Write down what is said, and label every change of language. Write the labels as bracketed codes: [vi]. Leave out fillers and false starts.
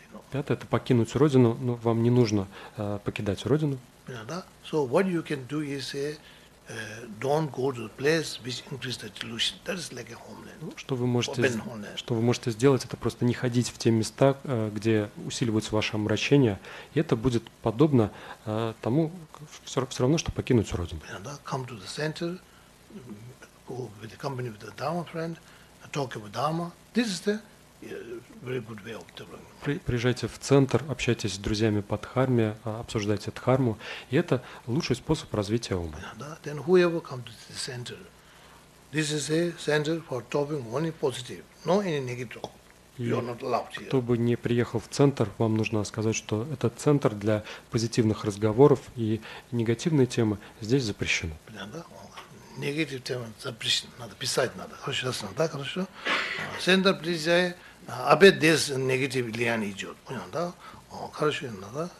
[ru] Пятое, это покинуть родину, но вам не нужно покидать родину. [en] So what you can do is say, don't go to the place which increases the delusion. That is like a homeland. [ru] Что вы можете сделать, это просто не ходить в те места, где усиливается ваше омрачение, и это будет подобно тому, все равно, что покинуть родину. [en] Come to the center, go with the company with the Dharma friend, talk about Dharma. This is the very good way of developing. [ru] Приезжайте в центр, общайтесь с друзьями по дхарме, обсуждайте дхарму, и это лучший способ развития ума. [en] Then whoever comes to the center, this is a center for talking only positive, no any negative. You are not allowed here. [ru] Кто бы ни приехал в центр, вам нужно сказать, что это центр для позитивных разговоров, и негативные темы здесь запрещены. Негатив тема запрещена, надо писать надо. Хорошо, ясно, да, хорошо. Центр приезжает, опять здесь негатив влиян идет. Понял, да? Хорошо, ясно, да?